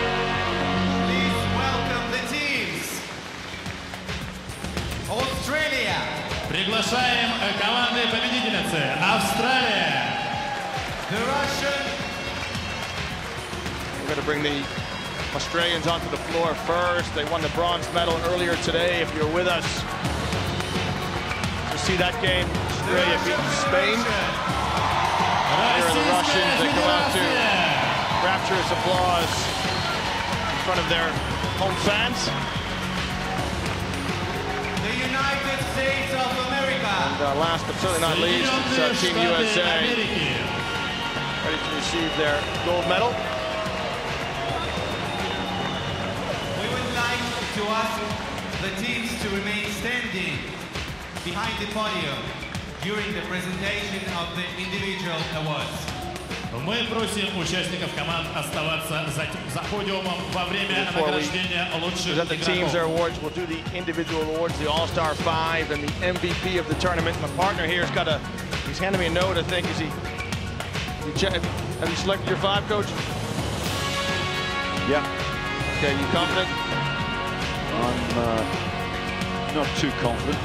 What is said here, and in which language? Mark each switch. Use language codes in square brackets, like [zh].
[en] Please welcome the teams. Australia. [ru] Приглашаем команды победительницы. Австралия. [en] The Russian. We're going to bring the Australians onto the floor first. They won the bronze medal earlier today. If you're with us, you'll see that game. Australia beat Spain. And here are the Russians that come out to rapturous applause in front of their home fans. The United States of America. And last but certainly not least, it's Team USA. Ready to receive their gold medal. To ask the teams to remain standing behind the podium during the presentation of the individual awards. [ru] Мы просим участников команд оставаться за подиумом во время награждения лучших игроков. [en] The teams are awards. We'll do the individual awards, the All-Star Five, and the MVP of the tournament. My partner here has got he's handing me a note. I think have you selected your five, coach? Yeah. Okay. You confident? I'm not too confident.